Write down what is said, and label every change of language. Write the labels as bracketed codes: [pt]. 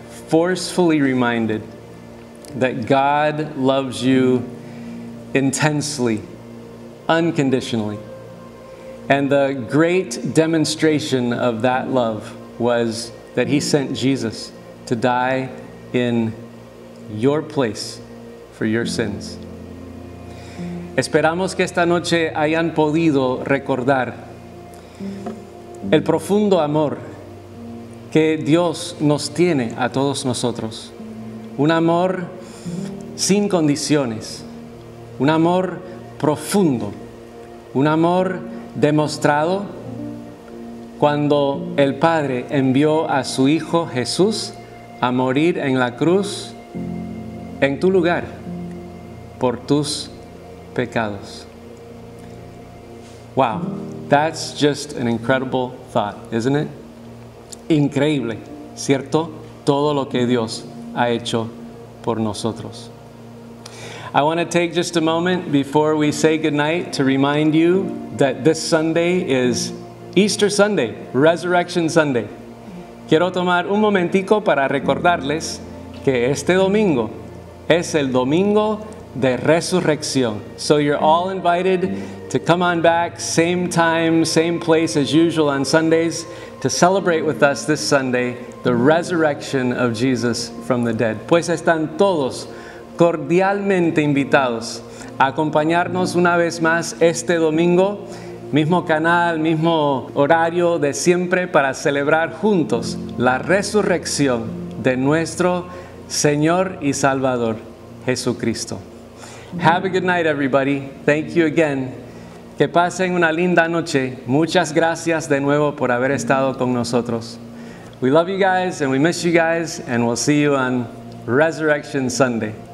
[en] forcefully reminded that God loves you intensely, unconditionally. And the great demonstration of that love was that he sent Jesus to die in your place for your sins. [es] Esperamos que esta noche hayan podido recordar el profundo amor que Dios nos tiene a todos nosotros. Un amor sin condiciones, un amor profundo, un amor demostrado cuando el Padre envió a su Hijo Jesús a morir en la cruz en tu lugar por tus pecados. [en] Wow, that's just an incredible thought, isn't it? [es] Increíble, ¿cierto? Todo lo que Dios ha hecho por nosotros. [en] I want to take just a moment before we say goodnight to remind you that this Sunday is Easter Sunday, Resurrection Sunday. [es] Quiero tomar un momentico para recordarles que este domingo es el domingo de resurrección. [en] So you're all invited to come on back, same time, same place as usual on Sundays, to celebrate with us this Sunday the resurrection of Jesus from the dead. [es] Pues están todos cordialmente invitados a acompañarnos una vez más este domingo, mismo canal, mismo horario de siempre, para celebrar juntos la resurrección de nuestro Señor y Salvador, Jesucristo. [en] Have a good night, everybody. Thank you again. [es] Que pasen una linda noche. Muchas gracias de nuevo por haber estado con nosotros. [en] We love you guys and we miss you guys, and we'll see you on Resurrection Sunday.